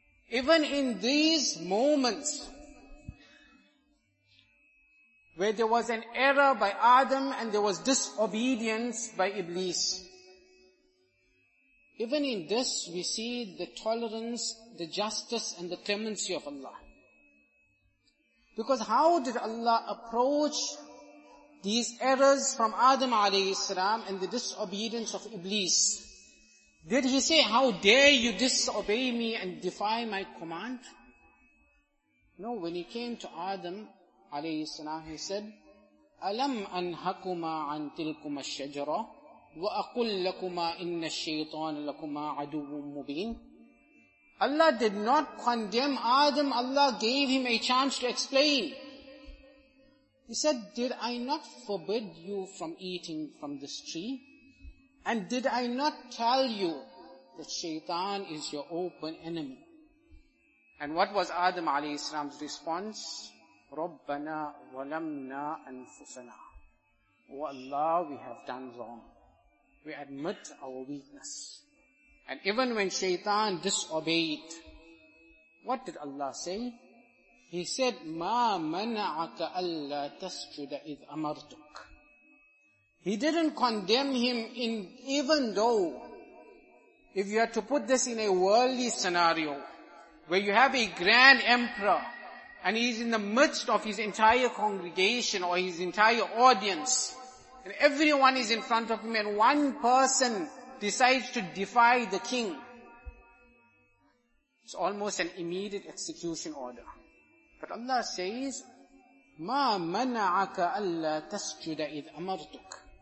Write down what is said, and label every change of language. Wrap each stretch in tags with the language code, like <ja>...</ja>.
<en>Even in these moments where there was an error by Adam and there was disobedience by Iblis, even in this we see the tolerance, the justice and the clemency of Allah. Because how did Allah approach these errors from Adam alayhi salam and the disobedience of Iblis? Did he say, how dare you disobey me and defy my command? No, when he came to Adam alayhi salam, he said,</en> <ar>أَلَمْ أَنْهَكُمَا عَنْ تِلْكُمَ الشَّجَرَةِ وَأَقُلْ لَكُمَا إِنَّ الشَّيْطَانَ لَكُمَا عَدُوٌ مُبِينٌ.</ar> <en>Allah did not condemn Adam. Allah gave him a chance to explain. He said, did I not forbid you from eating from this tree? And did I not tell you that Shaitan is your open enemy? And what was Adam alayhi salam's response?</en> <ar>رَبَّنَا وَلَمْنَا أَنفُسَنَا.</ar> <en>Oh Allah, we have done wrong. We admit our weakness. And even when Shaitan disobeyed, what did Allah say? He said,</en> <ar>مَا مَنَعَكَ أَلَّا تَسْجُدَ إِذْ أَمَرْتُكَ.</ar> <en>He didn't condemn him, in even though, if you had to put this in a worldly scenario, where you have a grand emperor, and he is in the midst of his entire congregation, or his entire audience, and everyone is in front of him, and one person decides to defy the king, it's almost an immediate execution order. But Allah says,</en> <ar>مَا مَنَعَكَ أَلَّا تَسْجُدَ إِذْ أَمَرْتُكَ.</ar>